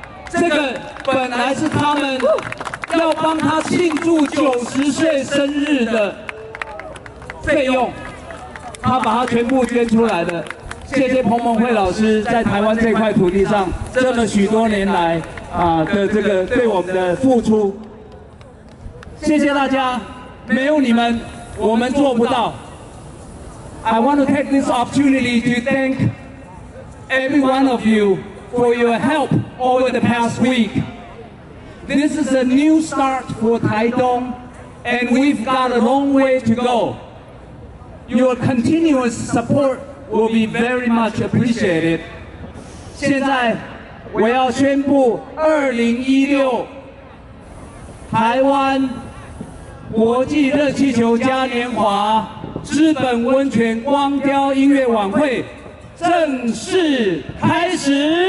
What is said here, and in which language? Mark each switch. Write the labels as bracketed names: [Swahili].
[Chinese] 这个本来是他们要帮他庆祝90岁生日的费用，他把他全部捐出来的。谢谢彭蒙慧老师在台湾这块土地上这么许多年来的这个对我们的付出，谢谢大家，没有你们我们做不到。 [English] I want to take this opportunity to thank every one of you for your help over the past week. This is a new start for Taidong and we've got a long way to go. Your continuous supportwill be very much appreciated. [Chinese] 现在我要宣布2016台湾国际热气球嘉年华资本温泉光雕音乐晚会正式开始。